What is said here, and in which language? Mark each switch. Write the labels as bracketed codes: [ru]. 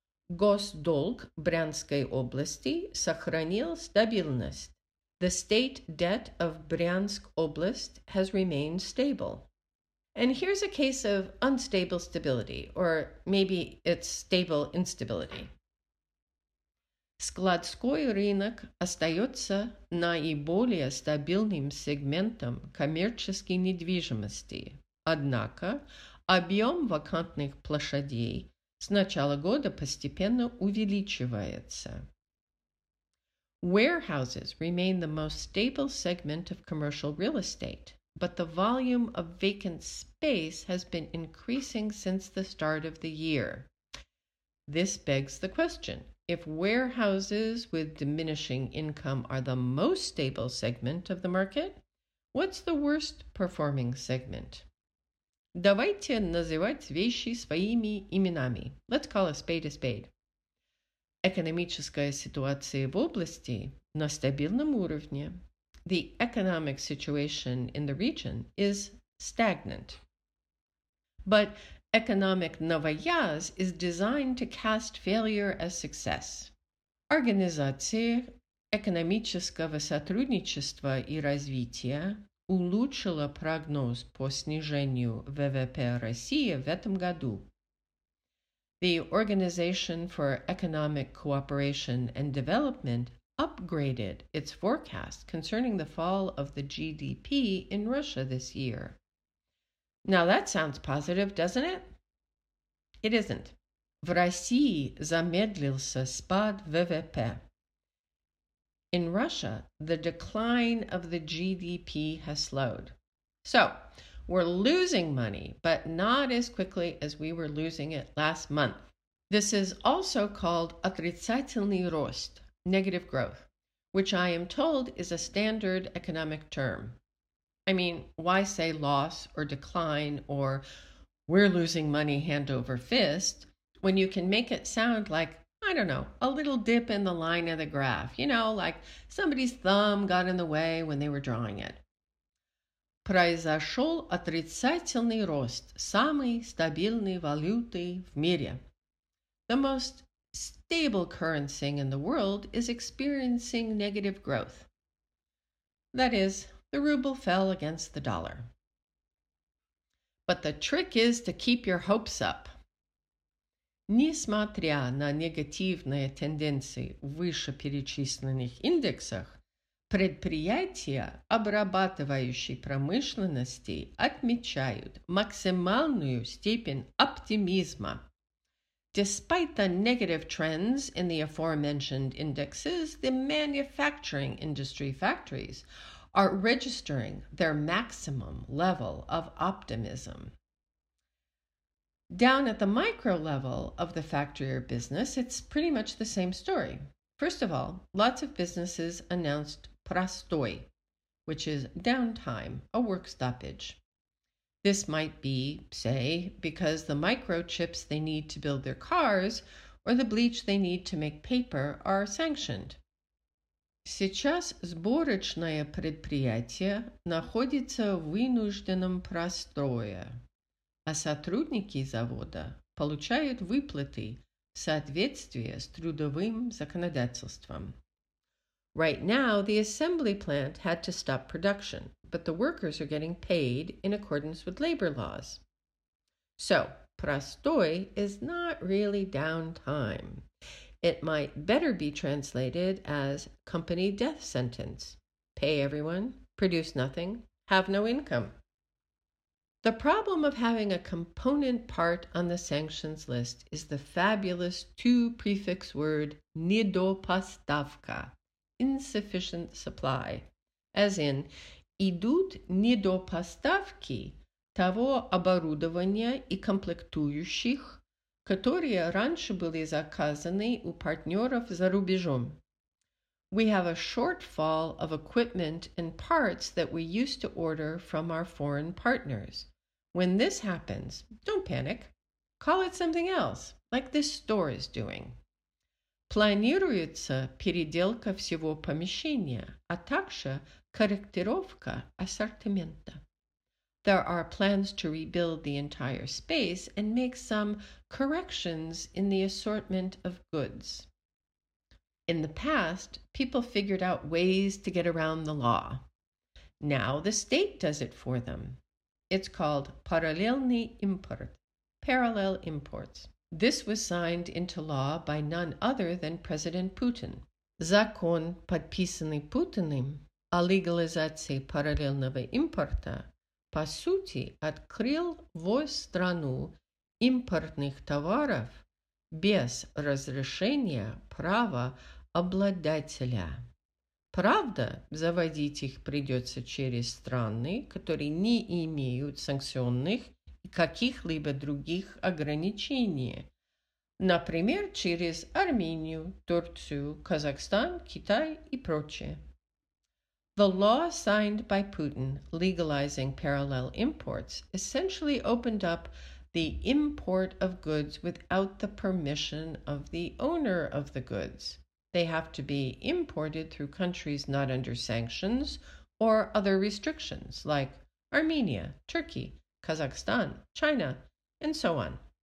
[ru] Госдолг Брянской области сохранил стабильность. [en] The state debt of Brянsk Oblast has remained stable. And here's a case of unstable stability, or maybe it's stable instability. [ru] Складской рынок остается наиболее стабильным сегментом коммерческой недвижимости. Однако объем вакантных площадей с начала года постепенно увеличивается. [en] Warehouses remain the most stable segment of commercial real estate, but the volume of vacant space has been increasing since the start of the year. This begs the question, if warehouses with diminishing income are the most stable segment of the market, what's the worst performing segment? [ru] Давайте называть вещи своими именами. [en] Let's call a spade a spade. [ru] Экономическая ситуация в области на стабильном уровне. [en] The economic situation in the region is stagnant. But economic новояз is designed to cast failure as success. [ru] Организация экономического сотрудничества и развития улучшила прогноз по снижению ВВП России в этом году. [en] The Organization for Economic Cooperation and Development upgraded its forecast concerning the fall of the GDP in Russia this year. Now that sounds positive, doesn't it? It isn't. [ru] В России замедлился спад ВВП. [en] In Russia, the decline of the GDP has slowed. So, we're losing money, but not as quickly as we were losing it last month. This is also called [ru] отрицательный рост, [en] negative growth, which I am told is a standard economic term. I mean, why say loss or decline or we're losing money hand over fist when you can make it sound like, I don't know, a little dip in the line of the graph, you know, like somebody's thumb got in the way when they were drawing it. [ru] Произошел отрицательный рост самой стабильной валюты в мире. [en] The most stable currency in the world is experiencing negative growth. That is, the ruble fell against the dollar. But the trick is to keep your hopes up. [ru] Несмотря на негативные тенденции в вышеперечисленных индексах, предприятия обрабатывающей промышленности отмечают максимальную степень оптимизма. [en] Despite the negative trends in the aforementioned indexes, the manufacturing industry factories are registering their maximum level of optimism. Down at the micro level of the factory or business, it's pretty much the same story. First of all, lots of businesses announced prastoy, which is downtime, a work stoppage. This might be, say, because the microchips they need to build their cars or the bleach they need to make paper are sanctioned. [ru] Сейчас сборочное предприятие находится в вынужденном простое, а сотрудники завода получают выплаты в соответствии с трудовым законодательством. [en] Right now, the assembly plant had to stop production, but the workers are getting paid in accordance with labor laws. So, простой is not really downtime. It might better be translated as company death sentence. Pay everyone, produce nothing, have no income. The problem of having a component part on the sanctions list is the fabulous two-prefix word недопоставка, insufficient supply, as in, [ru] идут недопоставки того оборудования и комплектующих, которые раньше были заказаны у партнеров за рубежом. [en] We have a shortfall of equipment and parts that we used to order from our foreign partners. When this happens, don't panic. Call it something else, like this store is doing. [ru] Планируется переделка всего помещения, а также корректировка ассортимента. [en] There are plans to rebuild the entire space and make some corrections in the assortment of goods. In the past, people figured out ways to get around the law. Now the state does it for them. It's called [ru] параллельный импорт, [en] parallel imports. This was signed into law by none other than President Putin. [ru] Закон, подписанный Путиным о легализации параллельного импорта, по сути, открыл в страну импортных товаров без разрешения права обладателя. Правда, заводить их придется через страны, которые не имеют санкционных и каких-либо других ограничений. Например, через Армению, Турцию, Казахстан, Китай и прочее. [en] The law signed by Putin legalizing parallel imports essentially opened up the import of goods without the permission of the owner of the goods. They have to be imported through countries not under sanctions or other restrictions, like Armenia, Turkey, Kazakhstan, China, and so on.